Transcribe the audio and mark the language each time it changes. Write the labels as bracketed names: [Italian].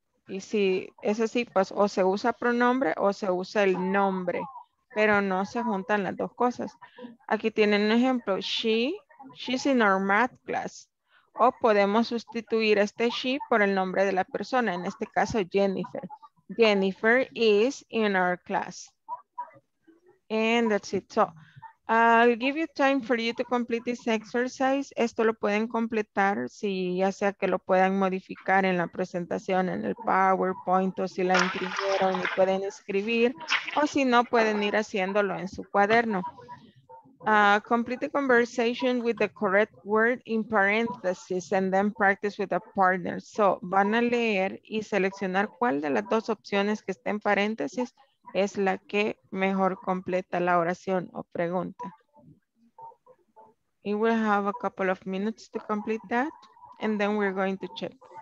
[Spanish] Y si es así, pues o se usa pronombre o se usa el nombre, pero no se juntan las dos cosas. Aquí tienen un ejemplo, [English] she's in our math class. [Spanish] O podemos sustituir este she por el nombre de la persona, en este caso Jennifer. [English] Jennifer is in our class. And that's it. So I'll give you time for you to complete this exercise. [Spanish] Esto lo pueden completar si ya sea que lo puedan modificar en la presentación, en el PowerPoint, o si la imprimieron y pueden escribir, o si no, pueden ir haciéndolo en su cuaderno. [English] Complete the conversation with the correct word in parentheses and then practice with a partner. [Spanish] So, van a leer y seleccionar cuál de las dos opciones que está en paréntesis es la que mejor completa la oración o pregunta. [English] You will have a couple of minutes to complete that and then we're going to check.